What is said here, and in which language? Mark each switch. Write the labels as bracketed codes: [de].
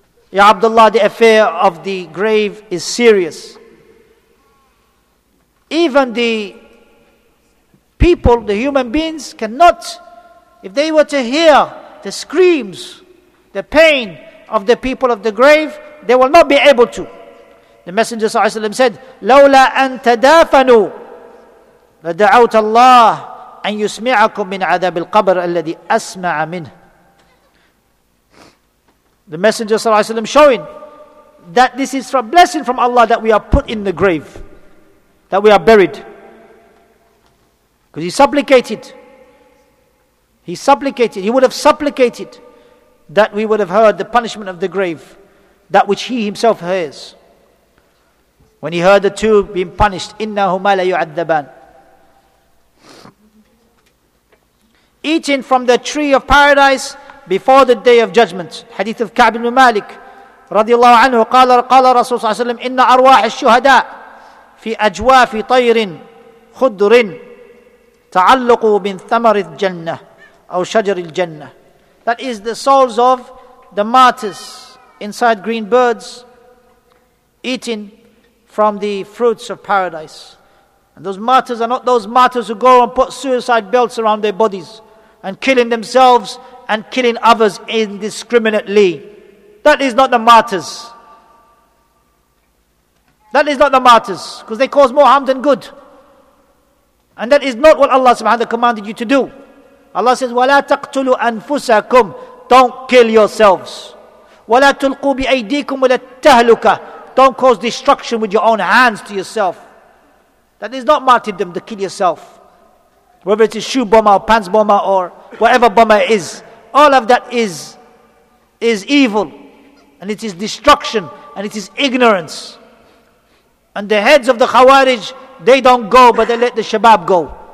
[en] Ya Abdullah, the affair of the grave is serious. Even the people, the human beings, cannot, if they were to hear the screams, the pain of the people of the grave, they will not be able to. The Messenger ﷺ said, [ar] لَوْلَا أَن تَدَافَنُوا لَدَعَوْتَ اللَّهِ أَن يُسْمِعَكُمْ مِنْ عَذَابِ الْقَبْرِ الَّذِي أَسْمَعَ مِنْهِ. [en] The Messenger ﷺ showing that this is a blessing from Allah that we are put in the grave, that we are buried. Because he would have supplicated that we would have heard the punishment of the grave, that which he himself hears. When he heard the two being punished, [ar] إِنَّهُمَا لَيُعَذَّبَانَ. [en] Eating from the tree of paradise before the day of judgment. [ar] Hadith of Ka'b ibn Malik, radiallahu anhu, قَالَ رَسُولُ صَلَّى اللَّهُ عَلَيْهِ وَسَلَّمَ إِنَّ أَرْوَاحَ الشُّهَدَاءِ فِي أَجْوَافِ طَيْرٍ خُدْرٍ تَعَلُّقُوا مِنْ ثَمَرِ الْجَنَّةِ أَوْ شَجَرِ الْجَنَّةِ. [en] That is the souls of the martyrs inside green birds eating from the fruits of paradise. And those martyrs are not those martyrs who go and put suicide belts around their bodies and killing themselves and killing others indiscriminately. That is not the martyrs. That is not the martyrs, because they cause more harm than good. And that is not what Allah subhanahu wa ta'ala commanded you to do. Allah says, [ar] وَلَا تَقْتُلُوا أَنفُسَكُمْ. [en] Don't kill yourselves. [ar] وَلَا تُلْقُوا بِأَيْدِيكُمْ وَلَا تَهْلُكَ. [en] Don't cause destruction with your own hands to yourself. That is not martyrdom, to kill yourself. Whether it's a shoe bomber or pants bomber or whatever bomber it is, all of that is evil. And it is destruction and it is ignorance. And the heads of the Khawarij, they don't go, but they let the Shabab go.